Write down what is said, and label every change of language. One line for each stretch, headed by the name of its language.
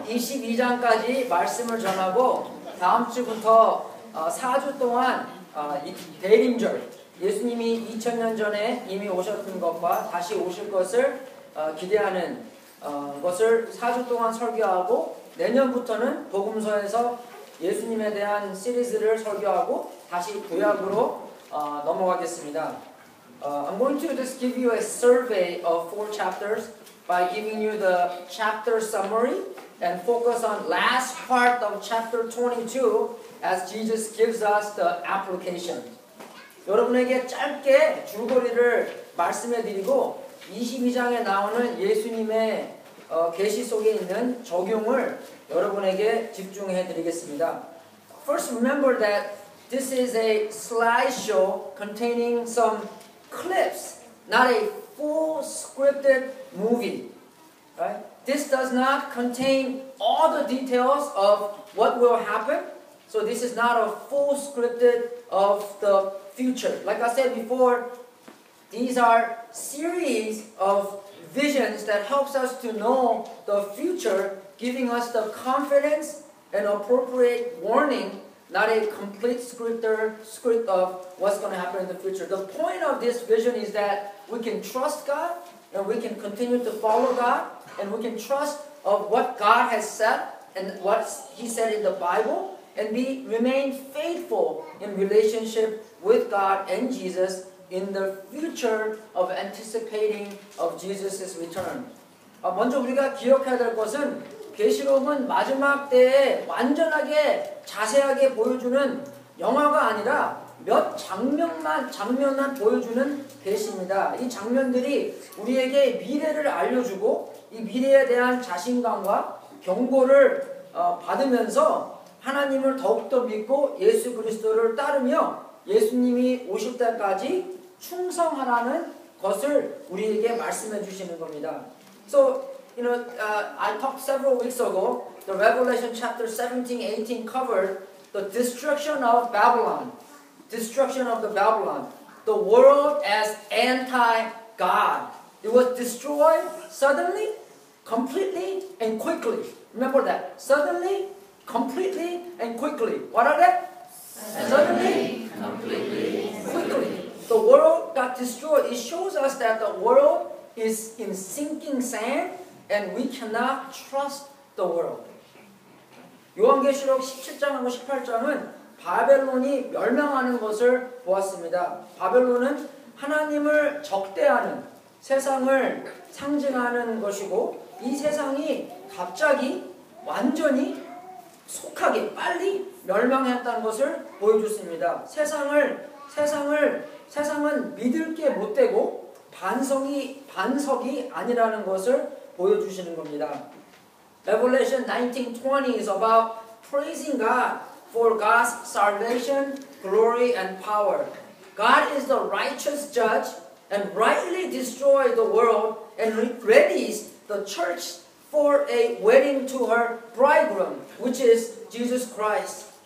Korean: 22장까지 말씀을 전하고 다음 주부터 4주 동안 대림절 예수님이 2000년 전에 이미 오셨던 것과 다시 오실 것을 기대하는 것을 4주 동안 설교하고 내년부터는 복음서에서 예수님에 대한 시리즈를 설교하고 다시 구약으로 넘어가겠습니다.
English: I'm going to just give you a survey of four chapters by giving you the chapter summary and focus on last part of chapter 22 as Jesus gives us the application.
Korean: 여러분에게 짧게 줄거리를 말씀해 드리고 22장에 나오는 예수님의 계시 속에 있는 적용을 여러분에게 집중해 드리겠습니다.
English: First, remember that this is a slideshow containing some clips, not a full scripted movie. Right? This does not contain all the details of what will happen. So this is not a full scripted of the future. Like I said before, these are series of visions that helps us to know the future, giving us the confidence and appropriate warning, not a complete script of what's going to happen in the future. The point of this vision is that we can trust God, and we can continue to follow God, and we can trust of what God has said and what He said in the Bible, and we remain faithful in relationship with God and Jesus in the future of anticipating of Jesus' return.
Korean: 먼저 우리가 기억해야 될 것은 계시록은 마지막 때에 완전하게 자세하게 보여주는 영화가 아니라 몇 장면만 보여주는 계시입니다. 이 장면들이 우리에게 미래를 알려주고 이 미래에 대한 자신감과 경고를 받으면서 하나님을 더욱더 믿고 예수 그리스도를 따르며 예수님이 오실 때까지 충성하라는 것을 우리에게 말씀해 주시는 겁니다.
English: So, you know, I talked several weeks ago, the Revelation chapter 17, 18 covered the destruction of Babylon. Destruction of the Babylon. The world as anti-God. It was destroyed suddenly, completely, and quickly. Remember that. Suddenly, completely, and quickly. What are they? Suddenly, completely, quickly. The world got destroyed. It shows us that the world is in sinking sand, and we cannot trust the world.
Korean: 요한계시록 17장하고 18장은 바벨론이 멸망하는 것을 보았습니다. 바벨론은 하나님을 적대하는 세상을 상징하는 것이고 이 세상이 갑자기 완전히 속하게 빨리 멸망했다는 것을 보여줬습니다. 세상은 믿을 게 못 되고 반석이 아니라는 것을 보여주시는 겁니다.
English: Revelation 19:20 is about praising God for God's salvation, glory, and power. God is the righteous judge and rightly destroyed the world and readies the church for a wedding to her bridegroom, which is Jesus Christ.